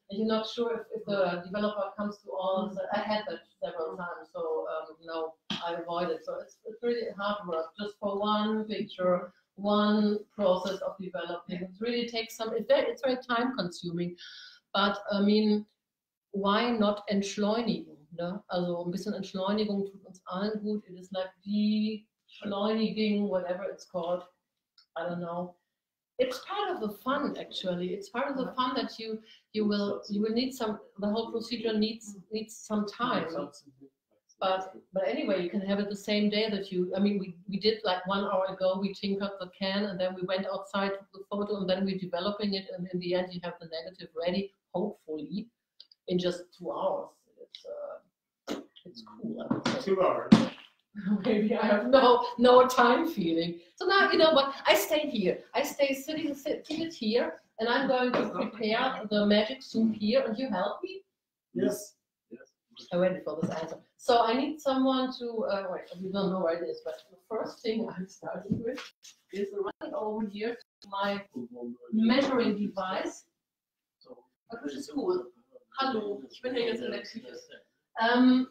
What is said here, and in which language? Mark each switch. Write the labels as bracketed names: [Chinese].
[English] And you're not sure if the developer comes to all. Mm-hmm. I had that several times, so I avoid it. So it's really hard work just for one picture. One process of developing, it really takes some, it's very time consuming, but I mean, why not [German] entschleunigen, ne? Also ein bisschen Entschleunigung tut uns allen gut. [English] It is like de-schleunigung, whatever it's called, I don't know. It's part of the fun, actually. It's part of the fun that you will need some, the whole procedure needs some time. But anyway, you can have it the same day that you, I mean, we did like 1 hour ago, we tinkered the can and then we went outside to the photo and then we're developing it. And in the end, you have the negative ready, hopefully, in just 2 hours. It's cool. 2 hours. Maybe I have no time feeling. So now, you know what, I stay here. I stay sitting here and I'm going to prepare the magic soup here. And you help me? Yes. I waited for this answer. So I need someone to, we don't know where it is, but the first thing I'm starting with is running over here to my measuring device, which is cool. [German] Hallo, ich bin hier jetzt in der Küche.